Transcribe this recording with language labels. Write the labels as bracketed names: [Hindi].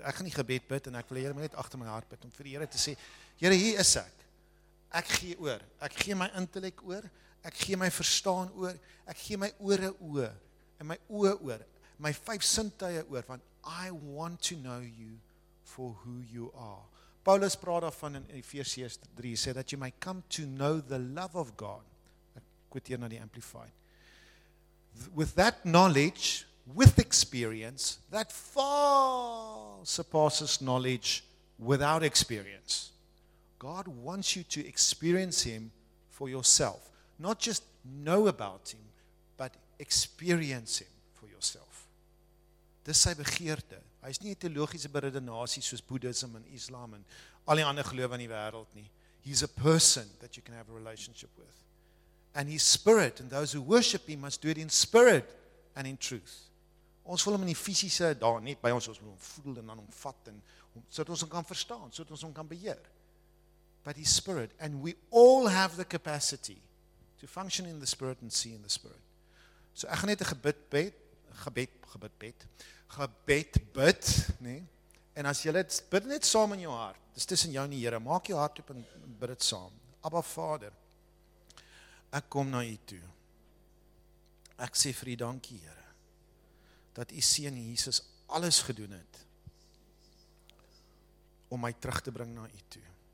[Afrikaans] Ek gaan die gebed bid en ek wil hier net agter my hart bid om vir die Here te sê, Here, hier is ek. Ek gee oor. Ek gee my intellek oor. Ek gee my verstaan oor. Ek gee my ore oor en my oë oor. My vyf sintuie oor want [English] I want to know you for who you are. [Afrikaans] Paulus praat daarvan in Efesiërs 3, sê dat jy my [English] come to know the love of God. [Afrikaans] Ek kwiteer na die Amplified. [English] With that knowledge, with experience, that far surpasses knowledge without experience. God wants you to experience him for yourself. Not just know about him, but experience him for yourself. [Afrikaans] Dis sy begeerte. Hy is nie 'n teologiese beredenasie soos Boeddhisme en Islam en al die ander gelowe in die wêreld nie. [English] He's a person that you can have a relationship with. And his spirit, and those who worship him must do it in spirit and in truth. [Afrikaans] Ons wil hom in die fisiese daar net by ons moet hom voel en dan hom vat en sodat ons hom kan verstaan, sodat ons hom kan beheer. [English] But his spirit, and we all have the capacity to function in the spirit and see in the spirit. [Afrikaans] So ek gaan net 'n gebed bid, nê? Nee? En as jy dit bid net saam in jou hart, dis tussen jou en die Here. Maak jou hart oop en bid dit saam. Abba Vader, ek kom na U toe. Ek sê vir U dankie, Here, dat U seun Jesus alles gedoen het om my terug te bring na U toe.